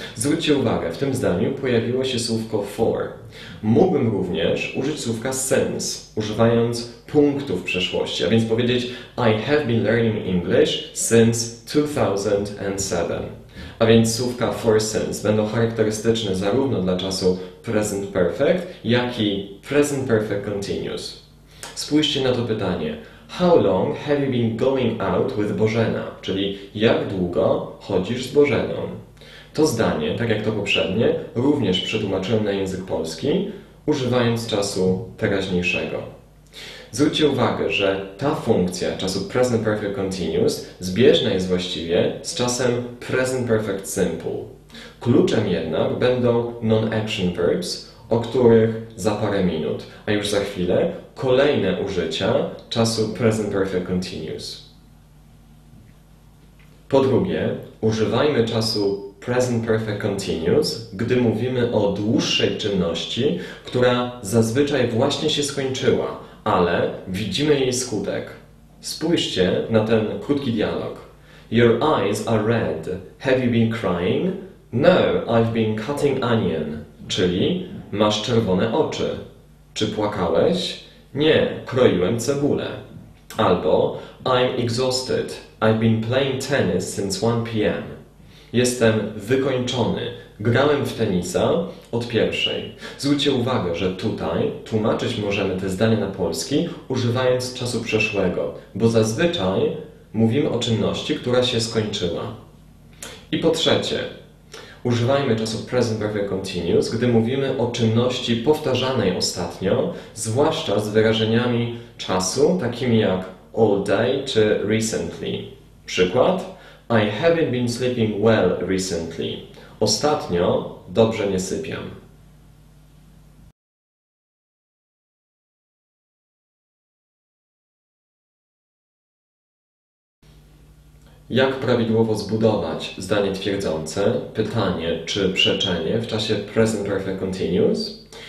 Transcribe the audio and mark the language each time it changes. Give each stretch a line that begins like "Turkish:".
Polish: Zwróćcie uwagę, w tym zdaniu pojawiło się słówko for. Mógłbym również użyć słówka since, używając punktu w przeszłości, a więc powiedzieć
English: I have been learning English since 2007.
Polish: A więc słówka for since będą charakterystyczne zarówno dla czasu present perfect, jak i present perfect continuous. Spójrzcie na to pytanie.
English: How long have you been going out with Bożena?
Polish: Czyli jak długo chodzisz z Bożeną? To zdanie, tak jak to poprzednie, również przetłumaczyłem na język polski, używając czasu teraźniejszego. Zwróćcie uwagę, że ta funkcja czasu present perfect continuous zbieżna jest właściwie z czasem present perfect simple. Kluczem jednak będą non-action verbs, o których za parę minut, a już za chwilę kolejne użycia czasu present perfect continuous. Po drugie, używajmy czasu present perfect continuous, gdy mówimy o dłuższej czynności, która zazwyczaj właśnie się skończyła, ale widzimy jej skutek. Spójrzcie na ten krótki dialog.
English: Your eyes are red. Have you been crying? No, I've been cutting onion.
Polish: Czyli masz czerwone oczy. Czy płakałeś? Nie, kroiłem cebulę. Albo
English: I'm exhausted. I've been playing tennis since 1 p.m.
Polish: Jestem wykończony. Grałem w tenisa od 1:00. Zwróćcie uwagę, że tutaj tłumaczyć możemy te zdania na polski używając czasu przeszłego, bo zazwyczaj mówimy o czynności, która się skończyła. I po trzecie, używajmy czasu present perfect continuous, gdy mówimy o czynności powtarzanej ostatnio, zwłaszcza z wyrażeniami czasu, takimi jak all day czy recently. Przykład,
English: I haven't been sleeping well recently.
Polish: Ostatnio dobrze nie sypiam. Jak prawidłowo zbudować zdanie twierdzące, pytanie czy przeczenie w czasie present perfect continuous?